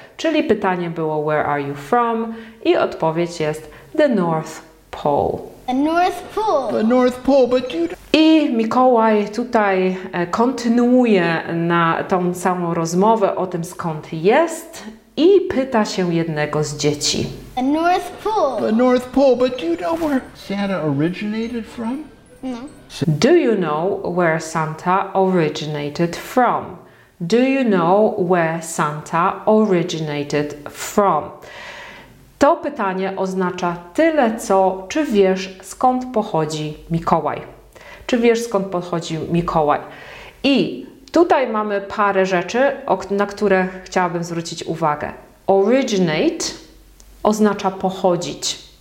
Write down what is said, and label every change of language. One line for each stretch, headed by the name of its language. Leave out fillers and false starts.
Polish: Czyli pytanie było
English: where are you from?
Polish: I odpowiedź jest the North Pole.
English: The North Pole. The North Pole, but you...
Polish: I Mikołaj tutaj kontynuuje na tą samą rozmowę o tym, skąd jest, i pyta się jednego z dzieci.
English: The North Pole. The North Pole, but do you know where Santa originated from? No. Do you know where Santa originated from? Do you know where Santa originated from?
Polish: To pytanie oznacza tyle, co czy wiesz, skąd pochodzi Mikołaj? Czy wiesz, skąd pochodzi Mikołaj? I tutaj mamy parę rzeczy, na które chciałabym zwrócić uwagę. Originate oznacza pochodzić.